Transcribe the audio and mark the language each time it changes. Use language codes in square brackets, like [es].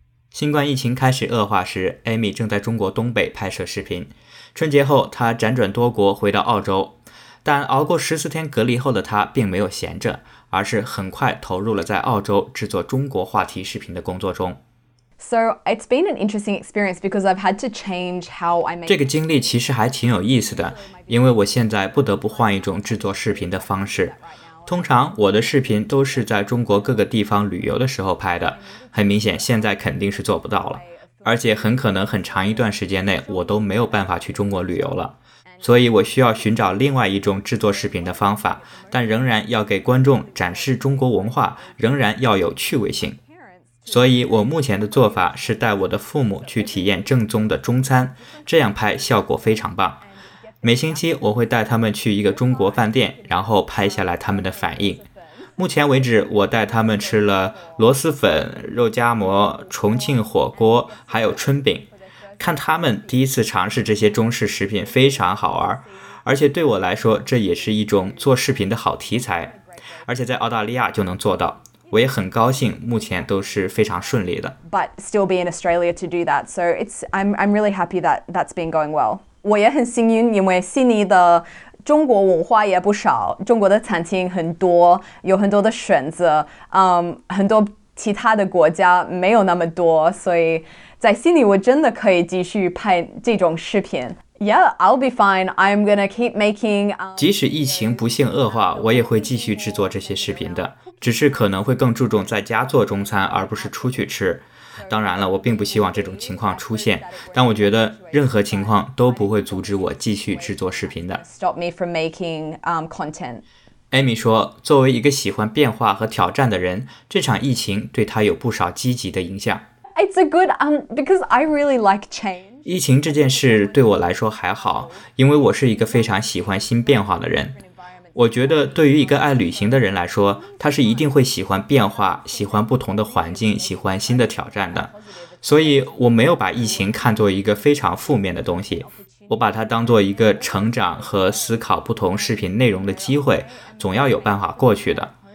[zh] 新冠疫情开始恶化时， Amy 正在中国东北拍摄视频。春节后她辗转多国回到澳洲，但熬过14天隔离后的她并没有闲着，而是很快投入了在澳洲制作中国话题视频的工作中。 [en] So it's been an interesting experience because I've had to change how I make. [zh] 这个经历其实还挺有意思的，因为我现在不得不换一种制作视频的方式。通常我的视频都是在中国各个地方旅游的时候拍的，很明显现在肯定是做不到了，而且很可能很长一段时间内我都没有办法去中国旅游了。所以我需要寻找另外一种制作视频的方法，但仍然要给观众展示中国文化，仍然要有趣味性。所以我目前的做法是带我的父母去体验正宗的中餐，这样拍效果非常棒。每星期我会带他们去一个中国饭店，然后拍下来他们的反应。目前为止，我带他们吃了螺蛳粉、肉夹馍、重庆火锅，还有春饼。看他们第一次尝试这些中式食品非常好玩，而且对我来说这也是一种做视频的好题材，而且在澳大利亚就能做到，我也很高兴目前都是非常顺利的。 [en] But still be in Australia to do that, so I'm really happy that that's been going well. [zh] 我也很幸运，因为悉尼的中国文化也不少，中国的餐厅很多，有很多的选择，很多其他的国家没有那么多，所以在悉尼我真的可以继续拍这种视频。 [en] Yeah, I'll be fine. I'm gonna keep making. [zh] 即使疫情不幸恶化，我也会继续制作这些视频的，只是可能会更注重在家做中餐而不是出去吃。当然了，我并不希望这种情况出现，但我觉得任何情况都不会阻止我继续制作视频的。 [en] Stop me from making content. [zh] Amy 说，作为一个喜欢变化和挑战的人，这场疫情对她有不少积极的影响。 [en] It's a good because I really like change. [zh] 疫情这件事对我来说还好，因为我是一个非常喜欢新变化的人。我觉得对于一个爱旅行的人来说，他是一定会喜欢变化，喜欢不同的环境，喜欢新的挑战的。所以我没有把疫情看作一个非常负面的东西，我把它当作一个成长和思考不同视频内容的机会，总要有办法过去的。